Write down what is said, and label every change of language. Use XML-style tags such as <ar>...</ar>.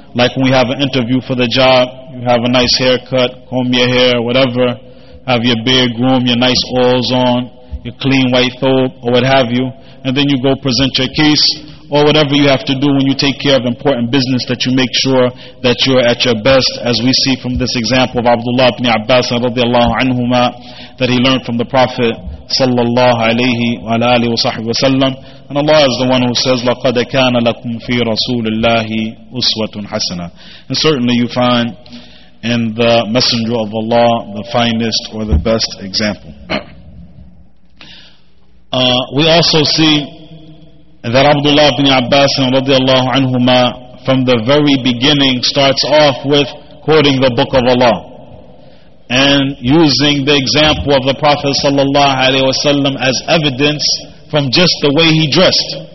<en>Like when we have an interview for the job, you have a nice haircut, comb your hair, whatever, have your beard groomed, your nice oils on, your clean white thobe, or what have you, and then you go present your case, or whatever you have to do when you take care of important business, that you make sure that you are at your best, as we see from this example of Abdullah ibn Abbas radiallahu anhuma, that he learned from the Prophet sallallahu alayhi wa alihi wa sahbihi wa sallam. And Allah is the one who says,</en> <ar>لَقَدْ كَانَ لَكُمْ فِي رَسُولِ اللَّهِ أُسْوَةٌ حَسَنَةٌ.</ar> <en>And certainly you find in the Messenger of Allah the finest or the best example. We also see that Abdullah ibn Abbas radiallahu anhuma, from the very beginning, starts off with quoting the Book of Allah and using the example of the Prophet sallallahu alayhi wasallam as evidence from just the way he dressed.</en>